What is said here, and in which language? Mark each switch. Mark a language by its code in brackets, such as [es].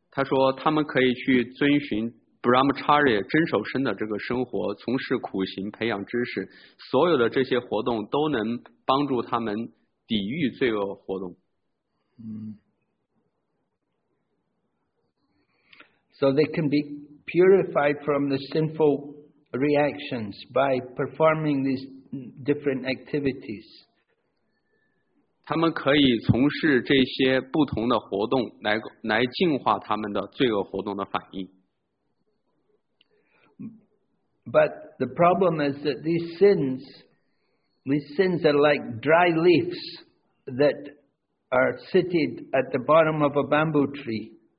[zh] 他说他们可以去遵循 Brahmacharya 遵守身的这个生活，从事苦行培养知识，所有的这些活动都能帮助他们抵御罪恶活动。 [en] So they can be purified from the sinful reactions by performing these different activities. [zh] 他们可以从事这些不同的活动来净化他们的罪恶活动的反应。 [en] But the problem is that these sins are like dry leaves that are seated at the bottom of a bamboo tree.